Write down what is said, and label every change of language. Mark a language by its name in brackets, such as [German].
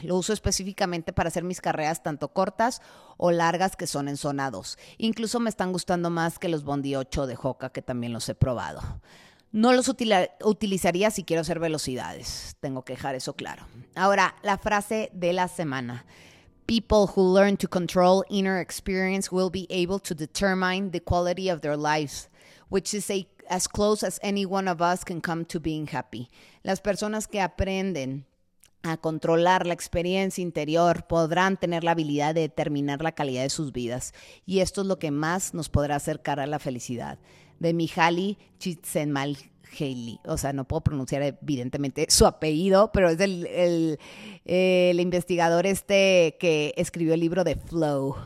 [Spanish] Lo uso específicamente para hacer mis carreras tanto cortas o largas que son en zona 2. Incluso me están gustando más que los Bondi 8 de Hoka, que también los he probado. No los utilizaría si quiero hacer velocidades. Tengo que dejar eso claro. Ahora, la frase de la semana. [English] People who learn to control inner experience will be able to determine the quality of their lives, which is as close as any one of us can come to being happy. [Spanish] Las personas que aprenden a controlar la experiencia interior podrán tener la habilidad de determinar la calidad de sus vidas. Y esto es lo que más nos podrá acercar a la felicidad. De Mihaly Csikszentmihalyi, o sea, no puedo pronunciar evidentemente su apellido, pero es el investigador este que escribió el libro de Flow.